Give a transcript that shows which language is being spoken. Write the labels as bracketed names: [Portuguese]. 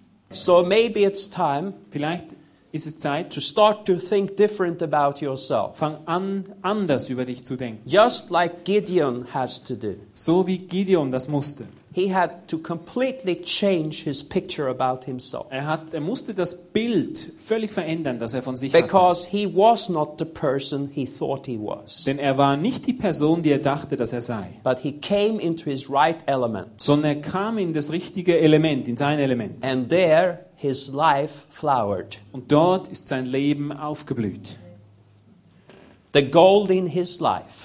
[English] So maybe it's time. [German] Vielleicht ist es Zeit, [English] to start to think different about yourself. [German] Fang an, anders über dich zu denken. [English] Just like Gideon has to do. [German] So wie Gideon das musste. [English] He had to completely change his picture about himself. [German] Er musste das Bild völlig verändern, das er von sich [English] Because [German] hatte. [English] He was not the person he thought he was. [German] Denn er war nicht die Person, die er dachte, dass er sei. [English] But he came into his right element. [German] Sondern er kam in das richtige Element, in sein Element. [English] And there his life flowered. [German] Und dort ist sein Leben aufgeblüht. [English] The gold in his life.